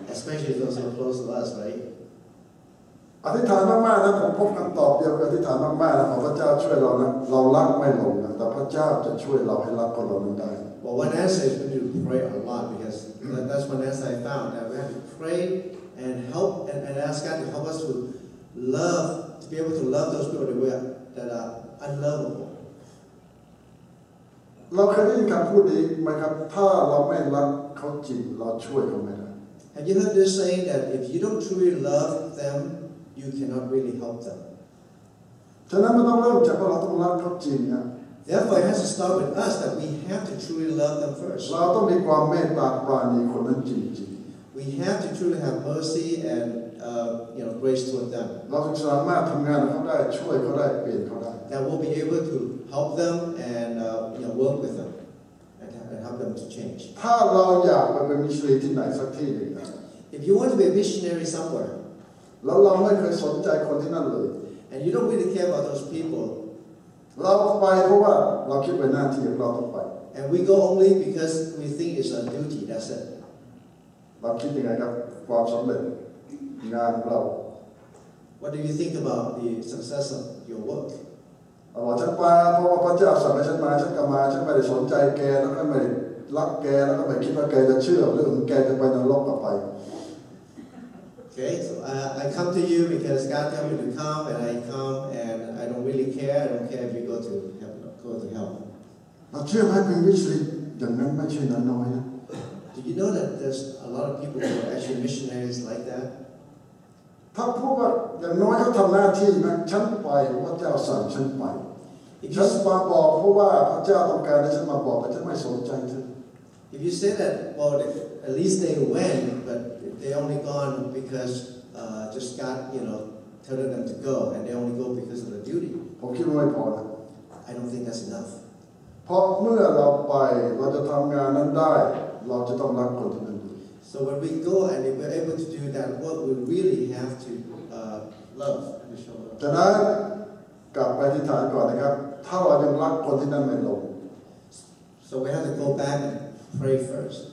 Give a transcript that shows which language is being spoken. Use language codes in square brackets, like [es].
[en] Especially those who are close to us, right? [th] อธิษฐานมากๆนะผมพบคำตอบเดียวกับอธิษฐานมากๆนะขอพระเจ้าช่วยเรานะเรารักไม่ลงนะแต่พระเจ้าจะช่วยเราให้รักคนเรานั้นได้ [en] Well, one answer is we need to pray a lot because that's one answer I found that we have to pray and help and ask God to help us to love to be able to love those people that are unlovable. [th] เราเคยได้ยินคำพูดนี้ไหมครับถ้าเราไม่รักเขาจริงเราช่วยเขาไม่ได้ [en] Have you heard this saying that if you don't truly love them? You cannot really help them. [th] ฉะนั้นมันต้องเริ่มจากเราต้องรักเขาจริงนะ [en] Therefore, it has to start with us that we have to truly love them first. [th] เราต้องมีความเมตตาปรานีคนนั้นจริง [en] ๆ We have to truly have mercy and grace toward them. [th] เราถึงสามารถทำงานเขาได้ช่วยเขาได้เปลี่ยนเขาได้ [en] That we'll be able to help them and work with them and help them to change. [th] ถ้าเราอยากไปเป็นมิชชันนารีที่ไหนสักที่นึงนะ [en] If you want to be a missionary somewhere. [th] แล้วเราไม่เคยสนใจคนที่นั่นเลย [en] And you don't really care about those people [th] เราไปเพราะว่าเราคิดเป็นหน้าที่ของเราต้องไป [en] And we go only because we think it's a duty that's it [th] เราคิดยังไงครับความสำเร็จงานของเรา [en] What do you think about the success of your work [th] เราจะไปเพราะว่าพระเจ้าสั่งให้ฉันมาฉันก็มาฉันไม่ได้สนใจแกแล้วก็ไม่ได้รักแกแล้วก็ไม่คิดว่าแกจะเชื่อหรือแกจะไปนรกต่อไป [en] Okay, so I come to you because God told me to come, and I come, and I don't really care. I don't care if you go to hell. But you might be missionary. Don't know much in that way. Do you know that there's a lot of people who are actually missionaries like that? [th] ถ้าพูดว่าอย่างน้อยเขาทำหน้าที่นะฉันไปพระเจ้าสั่งฉันไป just มาบอกเพราะว่าพระเจ้าต้องการให้ฉันมาบอกแต่ฉันไม่สนใจเธ [en] อ If you say that, well, at least they went, but they only gone becausejust God, you know, telling them to go, and they only go because of the duty. [th] ผมคิดว่าไม่พอนะ [en] I don't think that's enough. [th] เพราะเมื่อเราไปเราจะทำงานนั้นได้เราจะต้องรักคนที่นั่น [en] So when we go and if we're able to do that work, we really have to love and show love. [th] ดังนั้นกลับไปที่ฐานก่อนนะครับถ้าเรายังรักคนที่นั่นไม่ลง [en] So we have to go back and pray first.